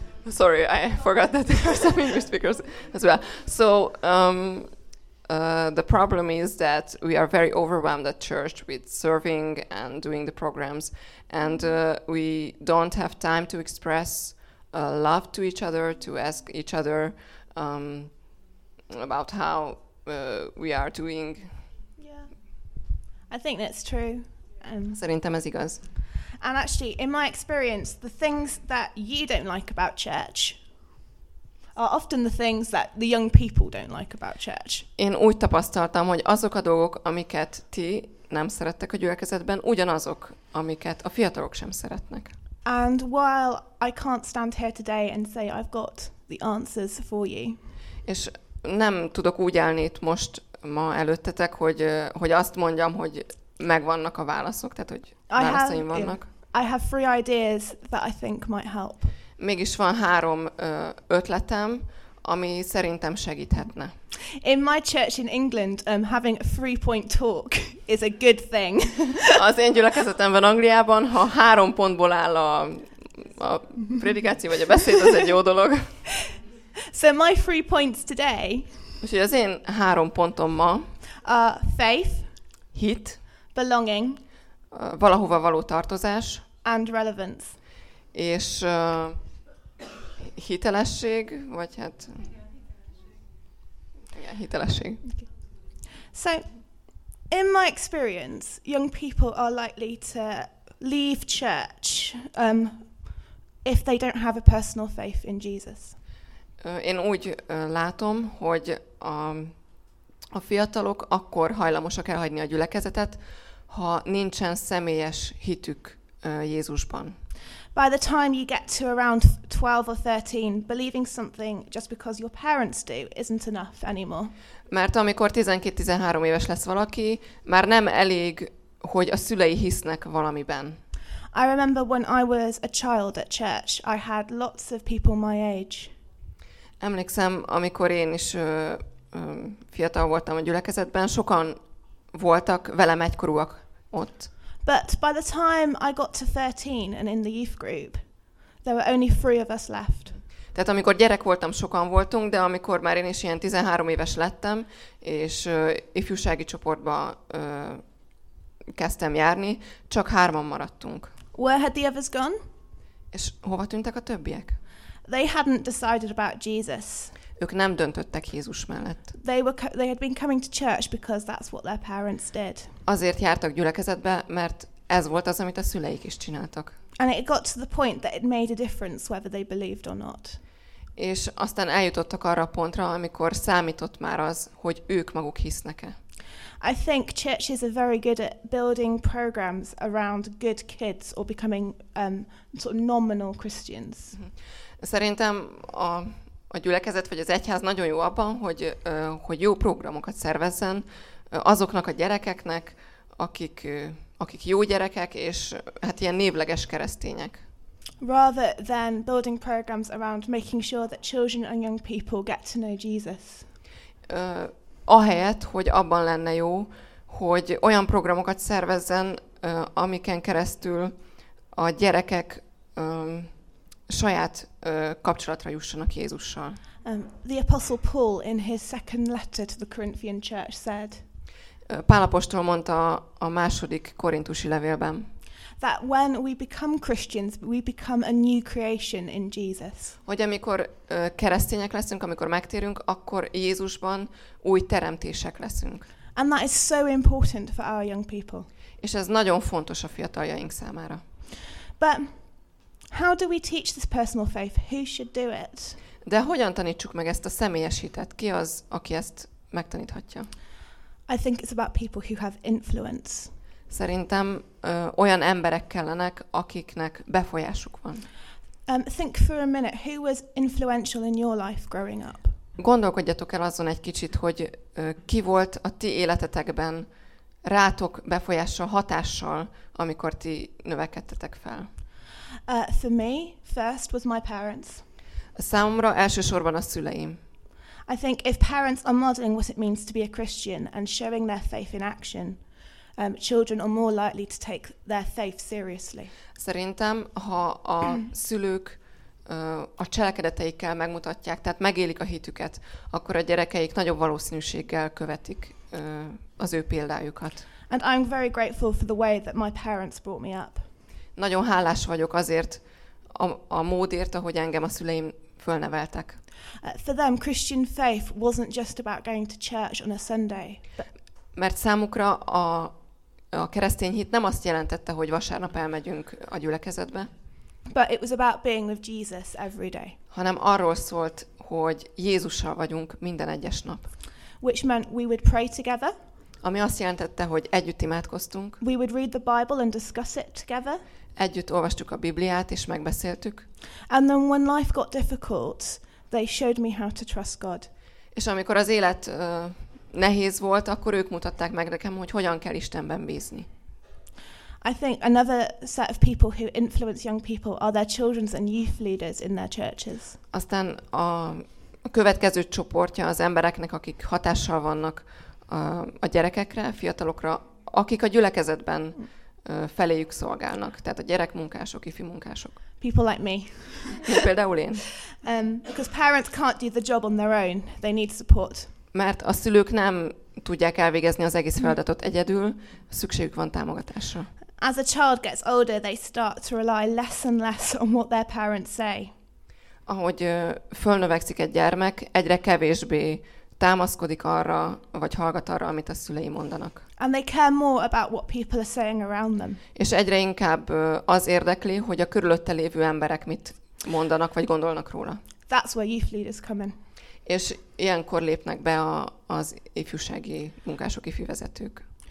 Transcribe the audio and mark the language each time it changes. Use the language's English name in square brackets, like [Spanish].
[English] Sorry, I forgot that there are some English speakers as well. So the problem is that we are very overwhelmed at church with serving and doing the programs, and we don't have time to express love to each other, to ask each other about how we are doing. Yeah, I think that's true. [Hungarian] Szerintem ez igaz. [English] And actually, in my experience, the things that you don't like about church are often the things that the young people don't like about church. [Hungarian] Én úgy tapasztaltam, hogy azok a dolgok, amiket ti nem szerettek a gyülekezetben, ugyanazok, amiket a fiatalok sem szeretnek. [English] And while I can't stand here today and say I've got the answers for you. [Hungarian] És nem tudok úgy állni itt most ma előttetek, hogy azt mondjam, hogy megvannak a válaszok, tehát hogy válaszaim vannak. [English] I have three ideas that I think might help. [Hungarian] Mégis van három ötletem, ami szerintem segíthetne. [English] In my church in England, having a three-point talk is a good thing. [Hungarian] Az én gyülekezetemben Angliában, ha három pontból áll a prédikáció vagy a beszéd, az egy jó dolog. [English] So my three points today. [Hungarian] Úgyhogy az én három pontom ma. [English] Faith. [Hungarian] Hit. [English] Belonging. [Hungarian] Valahova való tartozás. [English] And relevance. [Hungarian] És hitelesség, vagy hát... Igen, hitelesség. [English] So, in my experience, young people are likely to leave church if they don't have a personal faith in Jesus. [Hungarian] Én úgy látom, hogy a fiatalok akkor hajlamosak elhagyni a gyülekezetet, ha nincsen személyes hitük Jézusban. [English] By the time you get to around 12 or 13, believing something just because your parents do isn't enough anymore. [Hungarian] Mert amikor 12-13 éves lesz valaki, már nem elég, hogy a szülei hisznek valamiben. [English] I remember when I was a child at church, I had lots of people my age. [Hungarian] Emlékszem, amikor én is fiatal voltam a gyülekezetben, sokan voltak velem egykorúak ott. [English] But by the time I got to 13 and in the youth group, there were only three of us left. [Hungarian] Tehát amikor gyerek voltam, sokan voltunk, de amikor már én is ilyen 13 éves lettem, és ifjúsági csoportba kezdtem járni, csak hárman maradtunk. [English] Where had the others gone? [Hungarian] És hova tűntek a többiek? [English] They hadn't decided about Jesus. [Hungarian] Ők nem döntöttek Jézus mellett. [English] They had been coming to church because that's what their parents did. [Hungarian] Azért jártak gyülekezetbe, mert ez volt az, amit a szüleik is csináltak. [English] And it got to the point that it made a difference whether they believed or not. [Hungarian] És aztán eljutottak arra a pontra, amikor számított már az, hogy ők maguk hisznek-e. [English] I think churches are very good at building programs around good kids or becoming sort of nominal Christians. [Hungarian] Szerintem a gyülekezet vagy az egyház nagyon jó abban, hogy jó programokat szervezzen azoknak a gyerekeknek, akik jó gyerekek és hát ilyen névleges keresztények. [English] Rather than building programs around making sure that children and young people get to know Jesus. [Hungarian] Ahelyett, hogy abban lenne jó, hogy olyan programokat szervezzen, amiken keresztül a gyerekek saját kapcsolatra jussanak Jézussal. [English] The Apostle Paul in his second letter to the Corinthian church said. [Hungarian] Pál apostol mondta a második korintusi levélben. [English] That when we become Christians, we become a new creation in Jesus. [Hungarian] Hogy amikor keresztények leszünk, amikor megtérünk, akkor Jézusban új teremtések leszünk. [English] And that is so important for our young people. [Hungarian] És ez nagyon fontos a fiataljaink számára. [English] But how do we teach this personal faith? Who should do it? [Hungarian] De hogyan tanítsuk meg ezt a személyes hitet? Ki az, aki ezt megtaníthatja? [English] I think it's about people who have influence. [Hungarian] Szerintem olyan emberek kellenek, akiknek befolyásuk van. [English] Think for a minute, who was influential in your life growing up? [Hungarian] Gondolkodjatok el azon egy kicsit, hogy ki volt a ti életetekben rátok befolyással, hatással, amikor ti növekedtetek fel. [English] For me, first was my parents. [Hungarian] Számomra elsősorban a szüleim. [English] I think if parents are modeling what it means to be a Christian and showing their faith in action, children are more likely to take their faith seriously. [Hungarian] Szerintem, ha a szülők a cselekedeteikkel megmutatják, tehát megélik a hitüket, akkor a gyerekeik nagyobb valószínűséggel követik az ő példájukat. [English] And I'm very grateful for the way that my parents brought me up. [Hungarian] Nagyon hálás vagyok azért a módért, ahogy engem a szüleim fölneveltek. [English] For them, Christian faith wasn't just about going to church on a Sunday. [Hungarian] Mert számukra a keresztény hit nem azt jelentette, hogy vasárnap elmegyünk a gyülekezetbe. [English] But it was about being with Jesus every day. [Hungarian] Hanem arról szólt, hogy Jézussal vagyunk minden egyes nap. [English] Which meant we would pray together. [Hungarian] Ami azt jelentette, hogy együtt imádkoztunk. [English] We would read the Bible and discuss it together. [Hungarian] Együtt olvastuk a Bibliát és megbeszéltük. [English] And then when life got difficult, they showed me how to trust God. [Hungarian] És amikor az élet nehéz volt, akkor ők mutatták meg nekem, hogy hogyan kell Istenben bízni. [English] I think another set of people who influence young people are their children's and youth leaders in their churches. [Hungarian] Aztán a következő csoportja az embereknek, akik hatással vannak a gyerekekre, fiatalokra, akik a gyülekezetben feléjük szolgálnak, tehát a gyerekmunkások, ifi munkások. [English] People like me. [Hungarian] Például én. [English] Because parents can't do the job on their own, they need support. [Hungarian] Mert a szülők nem tudják elvégezni az egész feladatot egyedül, szükségük van támogatásra. [English] As a child gets older, they start to rely less and less on what their parents say. [Hungarian] Ahogy fölnövekszik egy gyermek, egyre kevésbé támaszkodik arra, vagy hallgat arra, amit a szülei mondanak. [English] And they care more about what people are saying around them. [Hungarian] És egyre inkább az érdekli, hogy a körülötte lévő emberek mit mondanak, vagy gondolnak róla. [English] That's where youth leaders come in. [Hungarian] És ilyenkor lépnek be az ifjúsági munkások, ifjú vezetők.